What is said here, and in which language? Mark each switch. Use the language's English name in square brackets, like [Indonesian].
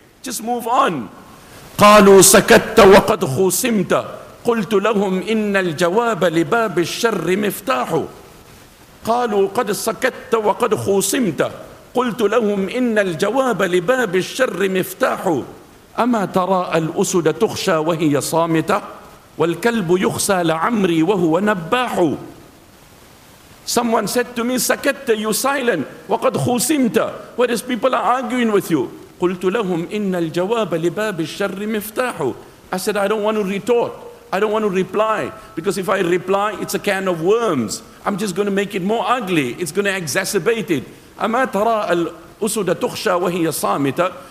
[English] Just move on. [Arabic] قَالُوا سَكَتَّ وَقَدْ خُسِمْتَ قُلْتُ لَهُمْ إِنَّ الْجَوَابَ لِبَابِ الشَّرِّ مِفْتَاحُ قَالُوا قَدْ سَكَتَّ وَقَدْ خُسِمْتَ قُلْتُ لَهُمْ إِنَّ الْجَوَابَ لِبَابِ الشَّرِّ مِفْتَاحُ أَمَا تَرَى الْأُسُدَ تُخْشَى وَهِيَ صَامِتَةٌ وَالْكَلْبُ يُخْسَى لَعَمْرِي وَهُوَ نَبَّاحُ. [English] Someone said to me, [Arabic] سكت, [English] you silent, [Arabic] وقد خوسمت, [English] whereas people are arguing with you. [Arabic] قلت لهم إن الجواب لباب الشر مفتاح. [English] I said, I don't want to retort. I don't want to reply. Because if I reply, it's a can of worms. I'm just going to make it more ugly. It's going to exacerbate it. [Arabic] أما ترى الأسود تخشى وهي صامتة.